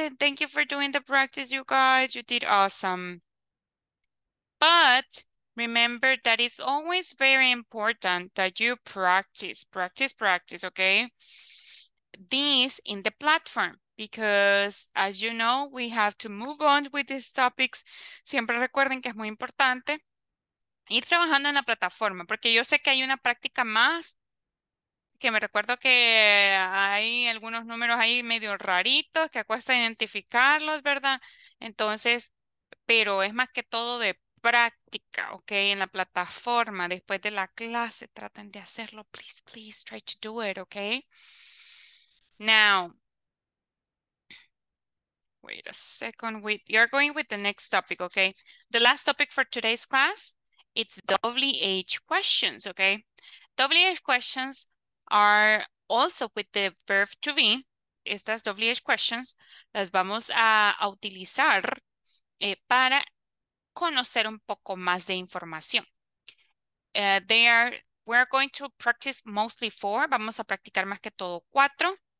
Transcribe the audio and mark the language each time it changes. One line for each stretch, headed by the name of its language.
English: And thank you for doing the practice, you guys. You did awesome. But remember that it's always very important that you practice, practice, practice, okay? This in the platform, because as you know, we have to move on with these topics.
Spanish: Siempre recuerden que es muy importante ir trabajando en la plataforma, porque yo sé que hay una práctica más, que me recuerdo que hay algunos números ahí medio raritos, que cuesta identificarlos, ¿verdad? Entonces, pero es más que todo de práctica, ¿ok? En la plataforma, después de la clase, traten de hacerlo, please, please, try to do it, ¿ok?
English: Now, wait a second, you're going with the next topic, ¿ok? The last topic for today's class. It's WH questions, okay? WH questions are also with the verb to be.
Spanish: Estas WH questions las vamos a utilizar para conocer un poco más de información. We're going to practice mostly four. Vamos a practicar más que todo cuatro.